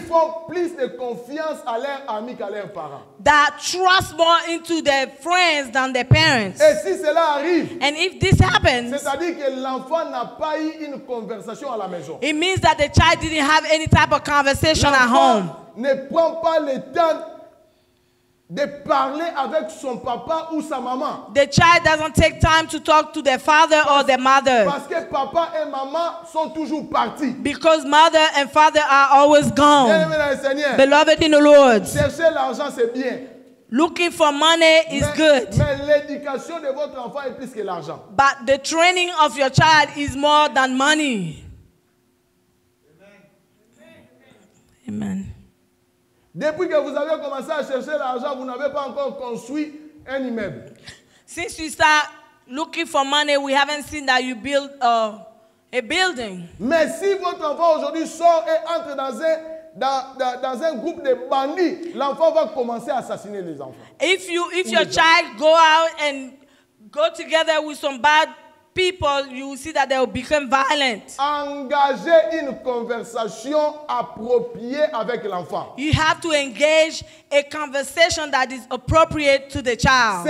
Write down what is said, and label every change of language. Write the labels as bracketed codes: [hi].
[fr] qui font plus de confiance à leurs amis qu'à leurs parents. [en] That trust more into their friends than their parents. [fr] Et si cela arrive, [en] and if this happens, [fr] c'est-à-dire que l'enfant n'a pas eu une conversation à la maison, [en] it means that the child didn't have any type of conversation at home. [fr] Ne prend pas le temps de parler avec son papa ou sa maman. [en] The child doesn't take time to talk to their father or their mother. [fr] Parce que papa et maman sont toujours partis. [en] Because mother and father are always gone. Beloved in the Lord. [fr] Chercher l'argent, c'est bien. [en] Looking for money is good. [fr] Mais l'éducation de votre enfant est plus que l'argent. [en] But the training of your child is more than money. Amen. Amen. [fr] Depuis que vous avez commencé à chercher l'argent, vous n'avez pas encore construit un immeuble. [en] Since you start looking for money, we haven't seen that you build a building. [fr] Mais si votre enfant aujourd'hui sort et entre dans un groupe de bandits, l'enfant va commencer à assassiner les enfants. [en] If your child go out and go together with some bad people, you will see that they will become violent. [fr] Engagez une conversation appropriée avec l'enfant. [en] You have to engage a conversation that is appropriate to the child.